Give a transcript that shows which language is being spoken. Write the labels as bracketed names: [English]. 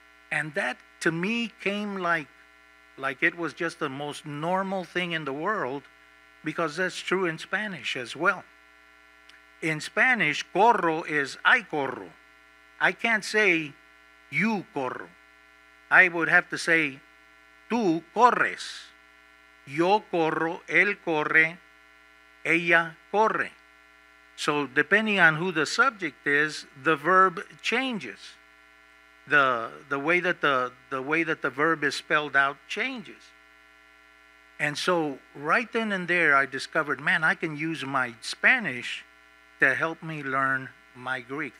[English] And that, to me, came like it was just the most normal thing in the world, because that's true in Spanish as well. In Spanish, corro is I corro. I can't say you corro. I would have to say [Spanish] tú corres. Yo corro, él corre, ella corre. [English] So depending on who the subject is, the verb changes. The way that the verb is spelled out changes. And so right then and there, I discovered, man, I can use my Spanish to help me learn my Greek.